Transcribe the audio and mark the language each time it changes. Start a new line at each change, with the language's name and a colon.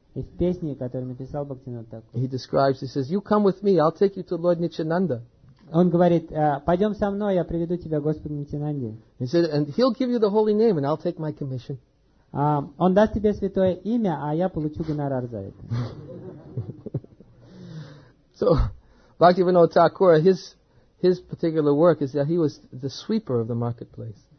Russian: и в песне, которую написал Бхактивинода Такур,
English: he describes, he says, you come with me, I'll take you to Lord Nityananda.
Russian: Он говорит, пойдем со мной, я приведу тебя к Господу Нитинанде.
English: He said, and he'll give you the holy name and I'll take my commission.
Russian: Он даст тебе святое имя, а я получу гонорар за это.
English: So, Bhaktivinoda Thakur, his particular work is that he was the sweeper of the marketplace.